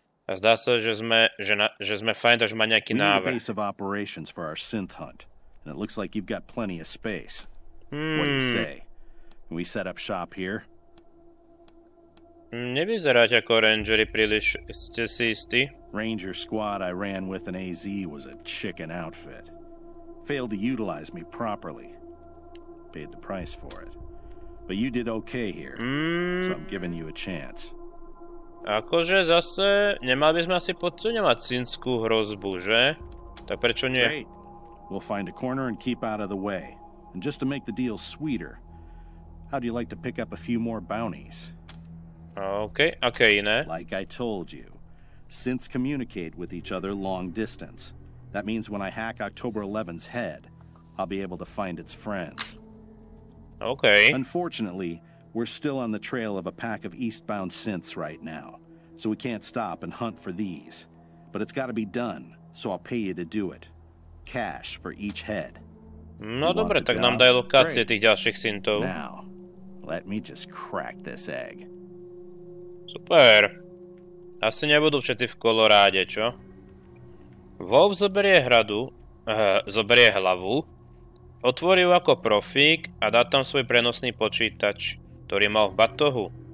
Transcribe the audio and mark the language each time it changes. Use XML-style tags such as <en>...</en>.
<sk>A zdá sa, že sme fajn, takže má nejaký návrh.</sk> <en>We need a base of operations for our synth hunt. And it looks like you've got plenty of space. What do you say? We set up shop here?</en> <sk>Nevyzeráte ako rangeri príliš, ste si istí?</sk> <en>Ranger squad I ran with an AZ was a chicken outfit. Failed to utilize me properly. Paid the price for it. But you did okay here. So I'm giving you a chance.</en> <sk>Akože zase, nemali by sme asi podceňovať cínskú hrozbu, že? Tak prečo nie?</sk> <en>Great. We'll find a corner and keep out of the way. And just to make the deal sweeter, how do you like to pick up a few more bounties?</en> <sk>Okay, okay, iné.</sk> <en>Like I told you, synths communicate with each other long distance. That means when I hack October 11's head, I'll be able to find its friends. Okay. Unfortunately, we're still on the trail of a pack of eastbound synths right now, so we can't stop and hunt for these. But it's got to be done, so I'll pay you to do it. Cash for each head.</en> <sk>No dobre, tak nám daj lokácie tých ďalších syntov.</sk> <en>Now, let me just crack this egg.</en> <sk>Super. Asi nebudú všetci v Koloráde, čo? Wolf zoberie hradu, zoberie hlavu, otvorí ju ako profík a dá tam svoj prenosný počítač, ktorý mal v batohu.</sk>